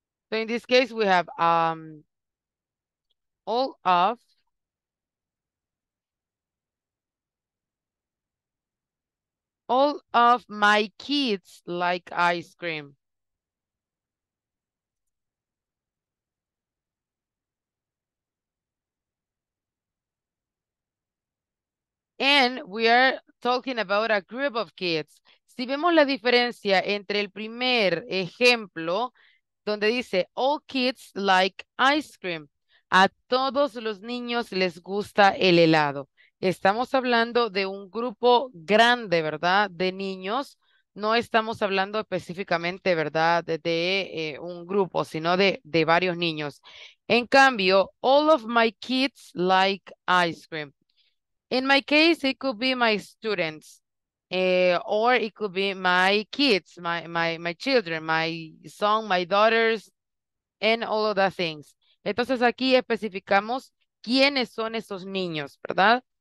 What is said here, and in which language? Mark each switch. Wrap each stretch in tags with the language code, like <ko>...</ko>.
<en>So in this case, we have all of my kids like ice cream. And we are talking about a group of kids.</en> <es>Si vemos la diferencia entre el primer ejemplo, donde dice,</es> <en>all kids like ice cream.</en> <es>A todos los niños les gusta el helado. Estamos hablando de un grupo grande, ¿verdad? De niños. No estamos hablando específicamente, ¿verdad? De un grupo, sino de varios niños. En cambio,</es> <en>all of my kids like ice cream. In my case, it could be my students. Or it could be my kids, my children, my son, my daughters, and all of the things.</en> <es>Entonces aquí especificamos quiénes son esos niños, ¿verdad?</es>